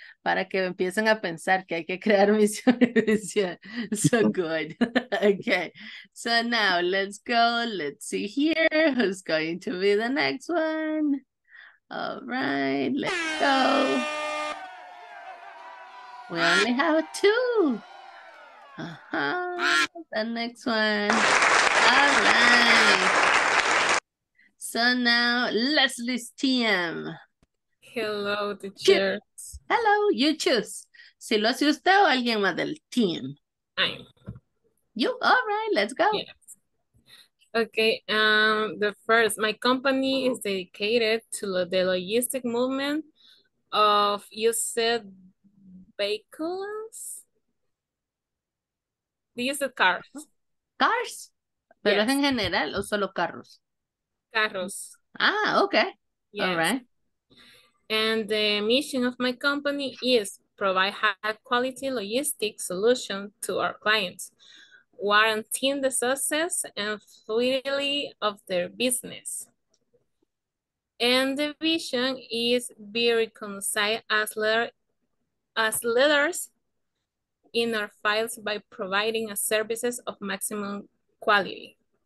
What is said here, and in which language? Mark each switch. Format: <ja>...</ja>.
<es>para que empiecen a pensar que hay que crear misión y visión.</es> <en>So good. Okay. So now let's go. Let's see here who's going to be the next one. All right. Let's go. We only have two. The next one. All right. So now, Leslie's team. Hello, teacher. Hello, you choose.</en> <es>Si lo hace usted o alguien más del team.</es> <en>I'm. You, all right, let's go. Yes. Okay, the first, my company is dedicated to the logistic movement of, you said, vehicles? You said cars. Cars? Pero yes.</en> <es>¿Es en general o solo carros? Carros.</es> <en>Ah, okay. Yes. All right. And the mission of my company is provide high quality logistics solution to our clients, guaranteeing the success and fluidity of their business. And the vision is be reconciled as leaders in our files by providing a services of maximum quality.</en>